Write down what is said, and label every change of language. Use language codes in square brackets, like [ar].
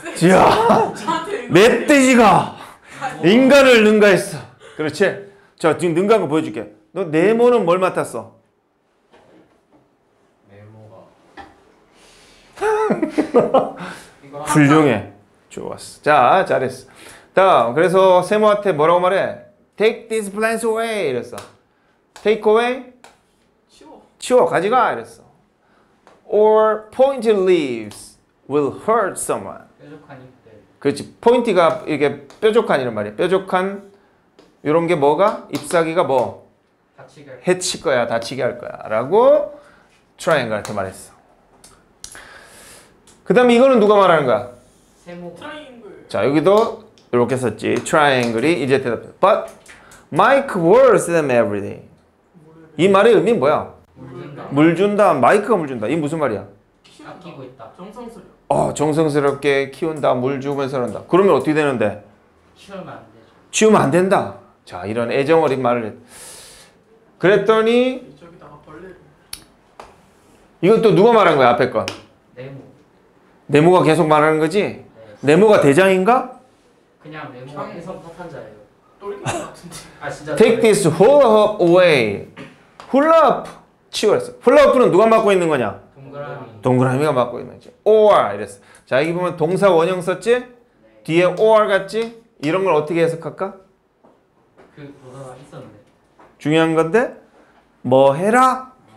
[ko] 야, 멧돼지가 인간을 능가했어. 그렇지? 자, 지금 능가한 거 보여줄게. 너 네모는 뭘 맡았어? 네모가 훌륭해. 좋았어. 자, 잘했어. 다음, 그래서 세모한테 뭐라고 말해? [en] Take these plants away [ko] 이랬어. [en] Take away? [ko] 치워 가지가 이랬어. [en] Or pointed leaves will hurt someone. [ko] 그렇지. 포인트가 이게 뾰족한 이런 말이야. 뾰족한 이런 게 뭐가? 잎사귀가 뭐? 다치게 해칠 거야. 다치게 할 거야. 라고 트라이앵글한테 말했어. 그 다음에 이거는 누가 말하는 거야? 세모. 트라이앵글. 자, 여기도 이렇게 썼지. 트라이앵글이 이제 대답해. [en] But Mike waters them every day. [ko] 이 말의 의미는 뭐야? 물 준다. 물 준다. 마이크가 물 준다. 이게 무슨 말이야? 아끼고 있다. 정성스러워. 정성스럽게 키운다, 물 주면서 한다. 그러면 어떻게 되는데? 치우면 안 되죠. 치우면 안 된다. 자, 이런 애정 어린 말을 그랬더니 이쪽에다가 벌레. 이건 또 누가 말한 거야, 앞에 건? 네모. 네모가 계속 말하는 거지? 네. 네모가 대장인가? 그냥 네모가 계속 사탄자예요. 똘끼 같은데. 아, 진짜. [en] Take this hula hoop away. [ko] Hula hoop. 치워야지. Hula hoop는 누가 맡고 있는 거냐? 동그라미가 맡고 있는 거지. or 이랬어. 자, 여기 보면 동사 원형 썼지? 네. 뒤에 or 같지? 이런 걸 어떻게 해석할까? 그 동사가 있었는데. 중요한 건데 뭐 해라?